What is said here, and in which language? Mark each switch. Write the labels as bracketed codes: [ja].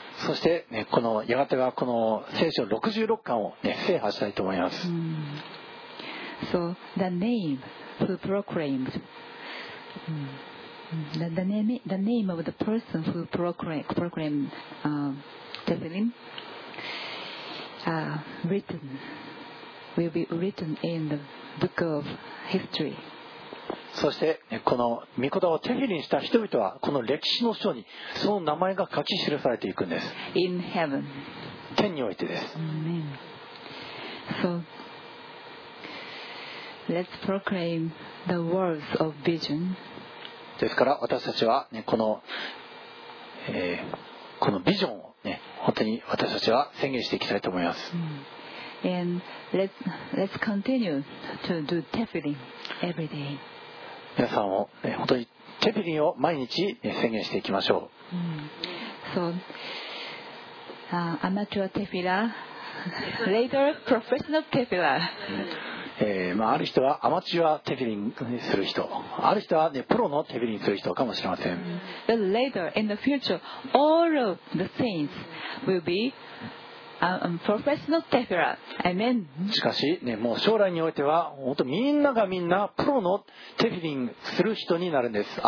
[ja] そして、ね、このやがてはこの聖書66巻を、ね、制覇したいと思います。 [en] So the name who proclaimed the name of the person who proclaimed Tefillin written will be written in the book of history. [ja] そして、ね、この御言葉をテフィリンした人々はこの歴史の書にその名前が書き記されていくんです。 [en] In heaven. [ja] 天においてです。 [en] Amen. So,Let's proclaim the words of vision. [ja] ですから私たちは、ね、この、このビジョンを、ね、本当に私たちは宣言していきたいと思います。 [en] And let's continue to do tefillin every day. [ja] 皆さんも、ね、本当にテフィリンを毎日、ね、宣言していきましょう。 [en] So, amateur tefillah, later professional tefillah. [ja] ある人はアマチュアテフィリンする人、ある人は、ね、プロのテフィリンする人かもしれません。 [en] But later in the future, all of the saints will be professional tefillah. Amen. [ja] しかし、ね、もう将来においては、本当みんながみんなプロのテフィリンする人になるんです。